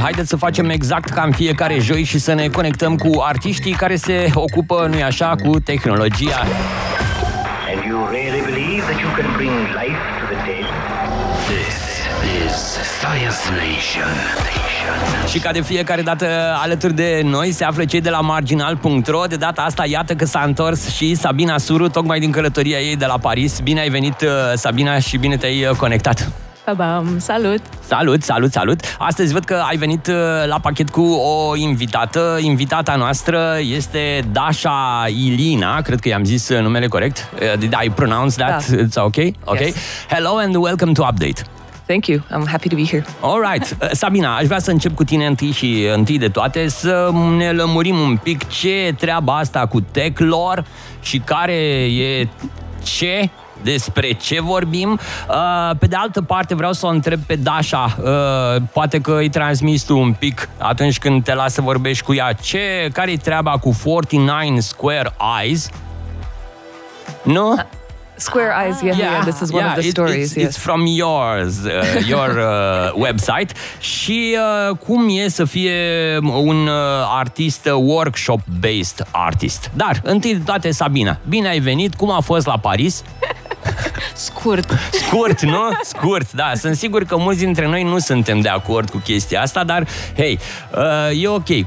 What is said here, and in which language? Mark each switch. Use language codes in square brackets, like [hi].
[ro] Haideți să facem exact ca în fiecare joi și să ne conectăm cu artiștii care se ocupă, nu-i așa, cu tehnologia. [en] And you really believe that you can bring life to the dead? This is Science Nation. [ro] Și ca de fiecare dată alături de noi se află cei de la marginal.ro. De data asta iată că s-a întors și Sabina Suru, tocmai din călătoria ei de la Paris. Bine ai venit, Sabina, și bine te-ai conectat. Salut! Salut, salut, salut! Astăzi văd că ai venit la pachet cu o invitată. Invitata noastră este Dasha Ilina, cred că i-am zis numele corect. [en] Did I pronounce that? [ro] Da. [en] It's okay? Okay. Yes. Hello and welcome to Update. Thank you. I'm happy to be here. All right. [ro] Sabina, aș vrea să încep cu tine întâi și întâi de toate să ne lămurim un pic ce e treaba asta cu tech-lore și care e ce, despre ce vorbim. Pe de altă parte vreau să o întreb pe Dasha, poate că îi transmis tu un pic atunci când te las să vorbești cu ea. Ce, care e treaba cu 49 Square Eyes? Nu? [en] Square Eyes, yeah, yeah, yeah, this is one, yeah, of the stories. It's, it's from yours, your website. [ro] Și cum e să fie un artist, [en] workshop-based artist? [ro] Dar, întâi de toate, Sabina, bine ai venit, cum a fost la Paris? Scurt. Scurt, nu? Scurt, da. Sunt sigur că mulți dintre noi nu suntem de acord cu chestia asta, dar, hei, e ok.